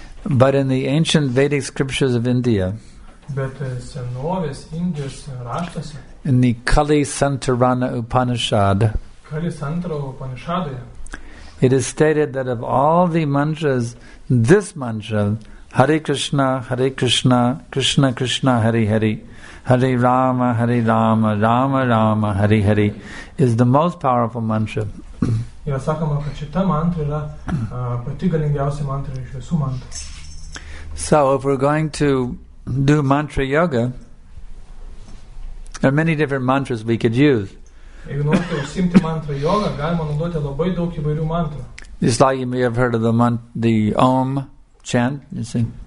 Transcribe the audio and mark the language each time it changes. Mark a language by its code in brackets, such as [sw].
[en] But in the ancient Vedic scriptures of India, in the Kali Santarana Upanishad, it is stated that of all the mantras, this mantra, Hare Krishna, Hare Krishna, Krishna Krishna, Hare Hare, Hare Rama, Hare Rama, Rama Rama, Hare Hare, is the most powerful mantra. [lt] Yra sakoma, kad šita mantra yra pati galingiausia mantra iš visų mantrų. [en] So if we're going to do mantra yoga, there are many different mantras we could use. It's like you may have heard of the Om chant, you see.